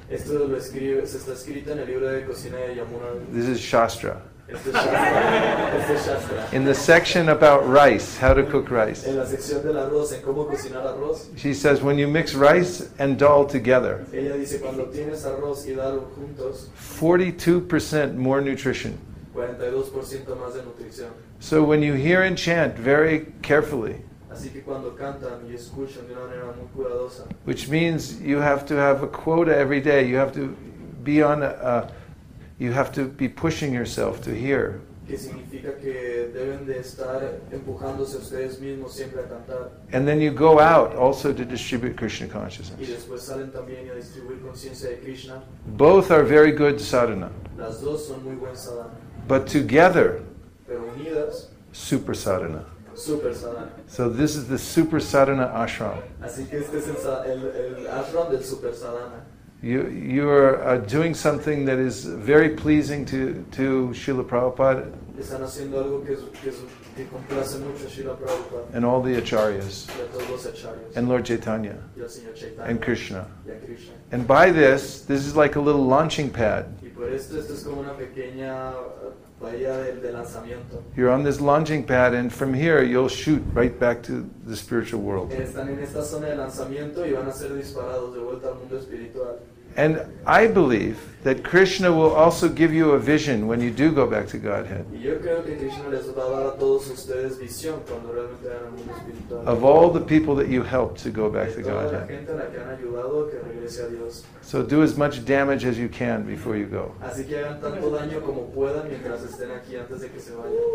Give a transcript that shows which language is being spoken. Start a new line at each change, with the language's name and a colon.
Spanish: Esto lo escribe, se está escrito en el libro de cocina de Yamuna.
English: This is Shastra.
Spanish: Este es Shastra.
English: In the section about rice, how to cook rice.
Spanish: En la sección del arroz, en cómo cocinar arroz.
English: She says, when you mix rice and dal together,
Spanish: ella dice, cuando tienes arroz y dal juntos,
English: 42% more nutrition.
Spanish: 42% más de nutrición.
English: So when you hear and chant very carefully,
Spanish: Así que cuando cantan y escuchan de una manera muy cuidadosa.
English: Which means you have to have a quota every day. You have to be on a you have to be pushing yourself to hear.
Spanish: Que significa que deben de estar empujándose ustedes mismos siempre a cantar.
English: And then you go out also to distribute Krishna consciousness.
Spanish: Y después salen también a distribuir conciencia de Krishna.
English: Both are very good sadhana.
Spanish: Las dos son muy buen sadhana.
English: But together,
Spanish: pero unidas,
English: super sadhana.
Spanish: Super sadhana.
English: So this is the super sadhana ashram.
Spanish: Así que este es el ashram del super sadhana.
English: You are doing something that is very pleasing to Srila Prabhupada.
Spanish: Están haciendo algo que complace mucho a Srila Prabhupada.
English: And all the acharyas.
Spanish: Y a todos los acharyas.
English: And Lord Chaitanya.
Spanish: Y al señor Chaitanya.
English: And Krishna.
Spanish: Y a Krishna.
English: And by this is like a little launching pad.
Spanish: Y por esto es como una pequeña bahía de lanzamiento.
English: You're on this launching pad, and from here you'll shoot right back to the spiritual world.
Spanish: Están en esta zona de lanzamiento y van a ser disparados de vuelta al mundo espiritual.
English: And I believe that Krishna will also give you a vision when you do go back to Godhead.
Spanish: Y yo creo que Krishna les va a dar a todos ustedes visión cuando realmente van al mundo espiritual.
English: Of all the people that you helped to go back to Godhead.
Spanish: De toda la gente a la que han ayudado que regrese a Dios.
English: So do as much damage as you can before you go.
Spanish: Así que hagan tanto daño como puedan mientras estén aquí antes de que se vayan.